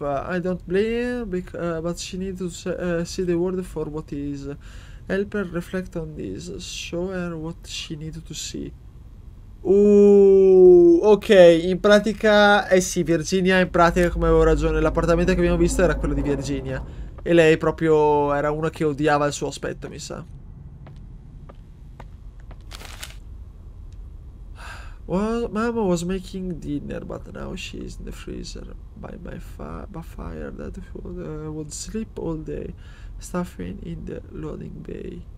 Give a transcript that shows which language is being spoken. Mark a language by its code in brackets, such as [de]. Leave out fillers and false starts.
[en] I don't blame her, but she needs to see the world for what is. Help her reflect on this. Show her what she needs to see. [it] Ok, in pratica, sì, Virginia, in pratica, come avevo ragione, l'appartamento che abbiamo visto era quello di Virginia. E lei proprio era una che odiava il suo aspetto, mi sa. [en] Well, mama was making dinner, but now she's in the freezer by my fire that would sleep all day, stuffing in the loading bay.